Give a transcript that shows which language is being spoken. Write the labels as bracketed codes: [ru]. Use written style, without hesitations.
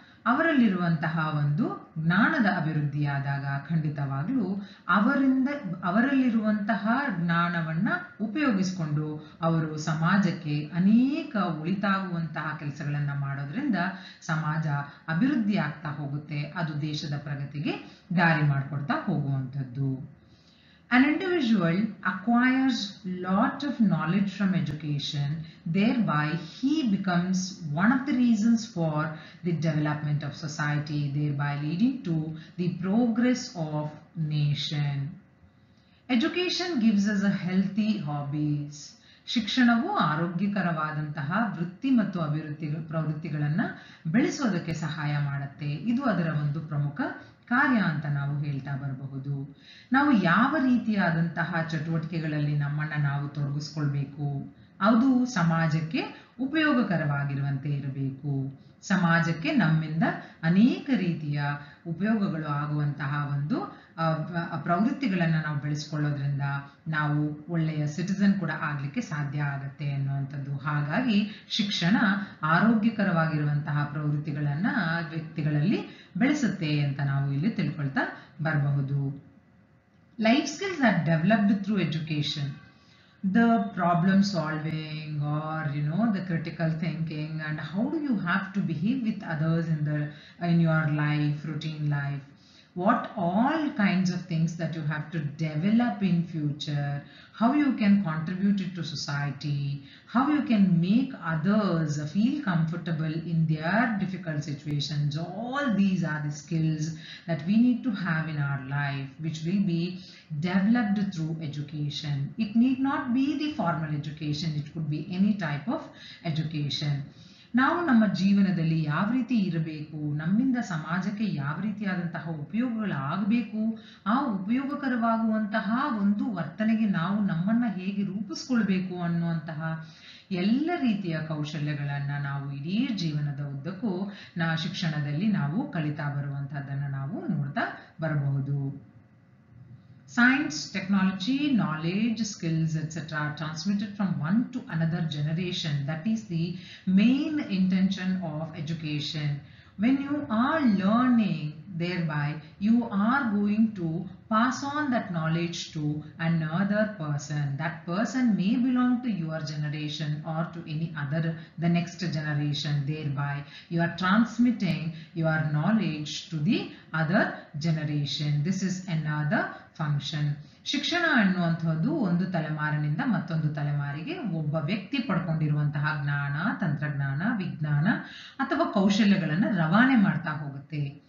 [kn] ಅವರಲ್ಲಿರುವಂತಹ ಒಂದು ಜ್ಞಾನದ ಅಭಿವೃದ್ಧಿಯಾದಾಗ ಖಂಡಿತವಾಗ್ಲೂ ಅವರಿಂದ ಅವರಲ್ಲಿರುವಂತಹ ಜ್ಞಾನವನ್ನು ಉಪಯೋಗಿಸಿಕೊಂಡು ಅವರು ಸಮಾಜಕ್ಕೆ ಅನೇಕ ಉಳಿತಾಗುವಂತಹ ಕೆಲಸಗಳನ್ನು ಮಾಡೋದ್ರಿಂದ ಸಮಾಜ ಅಭಿವೃದ್ಧಿ ಆಗ್ತಾ ಹೋಗುತ್ತೆ, ಅದು ದೇಶದ ಪ್ರಗತಿಗೆ ದಾರಿ ಮಾಡಿಕೊಡ್ತಾ ಹೋಗುವಂಥದ್ದು. [en] An individual acquires lot of knowledge from education, thereby he becomes one of the reasons for the development of society, thereby leading to the progress of nation. Education gives us a healthy hobbies. [kn] ಶಿಕ್ಷಣವು ಆರೋಗ್ಯಕರವಾದಂತಹ ವೃತ್ತಿ ಮತ್ತು ಅಭಿವೃದ್ಧಿ ಪ್ರವೃತ್ತಿಗಳನ್ನು ಬೆಳೆಸೋದಕ್ಕೆ ಸಹಾಯ ಮಾಡುತ್ತೆ. ಇದು ಅದರ ಒಂದು ಪ್ರಮುಖ ಕಾರ್ಯ ಅಂತ ನಾವು ಹೇಳ್ತಾ ಬರಬಹುದು. ನಾವು ಯಾವ ರೀತಿಯಾದಂತಹ ಚಟುವಟಿಕೆಗಳಲ್ಲಿ ನಮ್ಮನ್ನು ನಾವು ತೊಡಗಿಸ್ಕೊಳ್ಬೇಕು, ಅದು ಸಮಾಜಕ್ಕೆ ಉಪಯೋಗಕರವಾಗಿರುವಂತೆ ಇರಬೇಕು. ಸಮಾಜಕ್ಕೆ ನಮ್ಮಿಂದ ಅನೇಕ ರೀತಿಯ ಉಪಯೋಗಗಳು ಆಗುವಂತಹ ಒಂದು ಪ್ರವೃತ್ತಿಗಳನ್ನು ನಾವು ಬೆಳೆಸ್ಕೊಳ್ಳೋದ್ರಿಂದ ನಾವು ಒಳ್ಳೆಯ ಸಿಟಿಸನ್ ಕೂಡ ಆಗಲಿಕ್ಕೆ ಸಾಧ್ಯ ಆಗುತ್ತೆ ಅನ್ನುವಂಥದ್ದು. ಹಾಗಾಗಿ ಶಿಕ್ಷಣ ಆರೋಗ್ಯಕರವಾಗಿರುವಂತಹ ಪ್ರವೃತ್ತಿಗಳನ್ನು ವ್ಯಕ್ತಿಗಳಲ್ಲಿ ಬೆಳೆಸುತ್ತೆ ಅಂತ ನಾವು ಇಲ್ಲಿ ತಿಳ್ಕೊಳ್ತಾ ಬರಬಹುದು. [en] Life skills are developed through education. The problem solving or you know the critical thinking and how do you have to behave with others in your life, routine life, what all kinds of things that you have to develop in future, how you can contribute it to society, how you can make others feel comfortable in their difficult situations, all these are the skills that we need to have in our life which will be developed through education. It need not be the formal education, it could be any type of education. ನಾವು ನಮ್ಮ ಜೀವನದಲ್ಲಿ ಯಾವ ರೀತಿ ಇರಬೇಕು, ನಮ್ಮಿಂದ ಸಮಾಜಕ್ಕೆ ಯಾವ ರೀತಿಯಾದಂತಹ ಉಪಯೋಗಗಳು ಆಗಬೇಕು, ಆ ಉಪಯೋಗಕರವಾಗುವಂತಹ ಒಂದು ವರ್ತನೆಗೆ ನಾವು ನಮ್ಮನ್ನು ಹೇಗೆ ರೂಪಿಸ್ಕೊಳ್ಬೇಕು ಅನ್ನುವಂತಹ ಎಲ್ಲ ರೀತಿಯ ಕೌಶಲ್ಯಗಳನ್ನು ನಾವು ಇಡೀ ಜೀವನದ ಉದ್ದಕ್ಕೂ ಶಿಕ್ಷಣದಲ್ಲಿ ನಾವು ಕಲಿತಾ ಬರುವಂತಹದ್ದನ್ನು ನಾವು ನೋಡ್ತಾ ಬರಬಹುದು. Science, technology, knowledge, skills, etc. are transmitted from one to another generation. That is the main intention of education. When you are learning, thereby you are going to pass on that knowledge to another person. That person may belong to your generation or to any other, the next generation. Thereby you are transmitting your knowledge to the other generation. This is another function. [kn] ಶಿಕ್ಷಣ ಅನ್ನುವಂಥದ್ದು ಒಂದು ತಲೆಮಾರಿನಿಂದ ಮತ್ತೊಂದು ತಲೆಮಾರಿಗೆ ಒಬ್ಬ ವ್ಯಕ್ತಿ ಪಡ್ಕೊಂಡಿರುವಂತಹ ಜ್ಞಾನ, ತಂತ್ರಜ್ಞಾನ, ವಿಜ್ಞಾನ ಅಥವಾ ಕೌಶಲ್ಯಗಳನ್ನು ರವಾನೆ ಮಾಡ್ತಾ ಹೋಗುತ್ತೆ.